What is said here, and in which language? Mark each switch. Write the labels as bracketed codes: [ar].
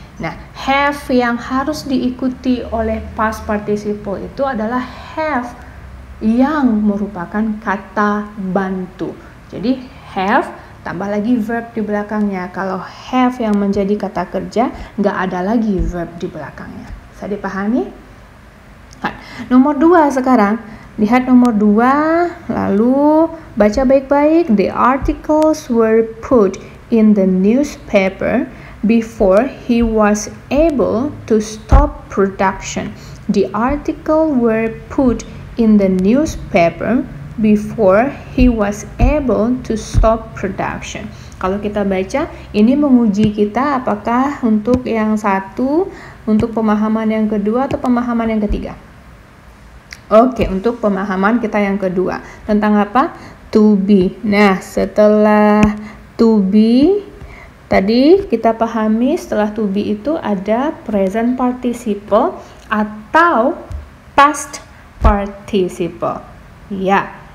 [id] Nah, have yang harus diikuti oleh past participle itu adalah have yang merupakan kata bantu. Jadi, have tambah lagi verb di belakangnya. Kalau have yang menjadi kata kerja, nggak ada lagi verb di belakangnya. Bisa dipahami? Nah, nomor 2 sekarang. Lihat nomor 2, lalu baca baik-baik, [en] the articles were put in the newspaper before he was able to stop production. The article were put in the newspaper before he was able to stop production. [id] Kalau kita baca, ini menguji kita apakah untuk yang satu, untuk pemahaman yang kedua, atau pemahaman yang ketiga. Oke, untuk pemahaman kita yang kedua. Tentang apa? To be. Nah, setelah to be, tadi kita pahami setelah to be itu ada present participle atau past participle. Ya.